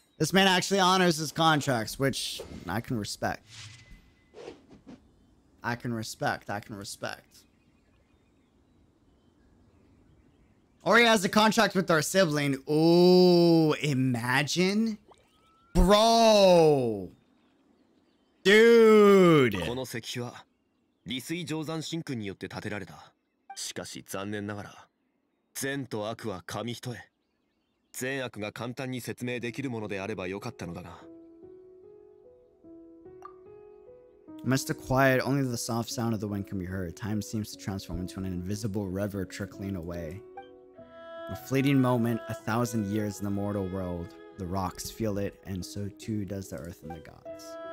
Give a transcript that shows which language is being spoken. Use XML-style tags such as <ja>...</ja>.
<en>This man actually honors his contracts, which I can respect. I can respect. Or he has a contract with our sibling. Ooh, imagine Bro! Dude!</en> <ja>この石碑は利水定山神君によって建てられた。しかし残念ながら善と悪は紙一重。善悪が簡単に説明できるものであればよかったのだが。</ja> <en>Mr. Quiet, only the soft sound of the wind can be heard. Time seems to transform into an invisible river trickling away. A fleeting moment, a thousand years in the mortal world. The rocks feel it, and so too does the earth and the gods.</en>